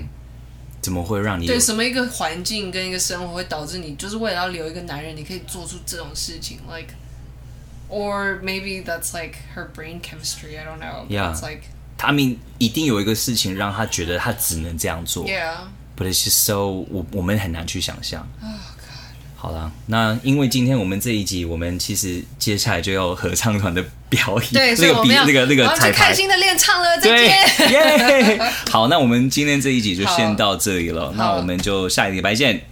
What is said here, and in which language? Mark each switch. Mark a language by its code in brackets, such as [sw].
[zh] 嗯、怎么会让你对什么一个环境跟一个生活会导致你就是为了要留一个男人你可以做出这种事情 [en] like or maybe that's like her brain chemistry I don't know yeah it's like I mean [zh] 一定有一个事情让他觉得他只能这样做 [en] yeah But it's just so, [zh] 我们很难去想象。 [en] Oh God. [zh] 好啦，那因为今天我们这一集，我们其实接下来就要合唱团的表演，对，那个比那个彩排，我开心的练唱了，再见。耶、yeah! ！好，那我们今天这一集就先到这里了，那我们就下一礼拜见。